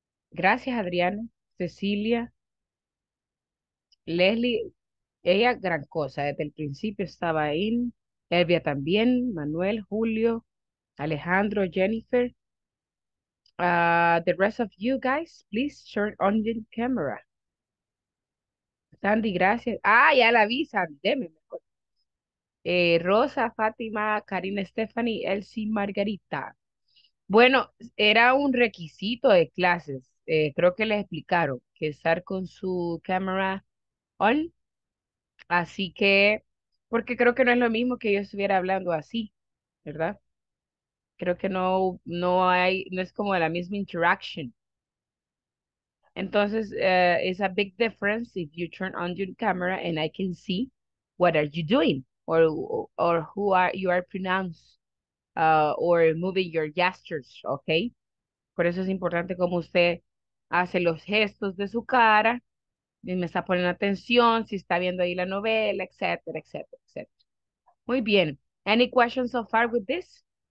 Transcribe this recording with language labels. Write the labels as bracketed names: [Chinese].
[Spanish] Gracias, Adriana, Cecilia, Leslie, ella gran cosa, desde el principio estaba ahí, Elvia también, Manuel, Julio, Alejandro, Jennifer. [English] The rest of you guys, please turn on your camera. [Spanish] Sandy, gracias. Ah, ya la vi, Sandy, deme. Rosa, Fátima, Karina, Stephanie, Elsie, Margarita. Bueno, era un requisito de clases. Creo que les explicaron que estar con su cámara on. Así que, porque creo que no es lo mismo que yo estuviera hablando así, ¿verdad? Creo que no es como la misma interaction. [English] Entonces, it's a big difference if you turn on your camera and I can see what are you doing. Or who are you are pronounced, or moving your gestures, okay? [Spanish] Por eso es importante cómo usted hace los gestos de su cara, y me está poniendo atención, si está viendo ahí la novela, etcétera, etcétera, etcétera. Muy bien. [English] Any questions so far with this?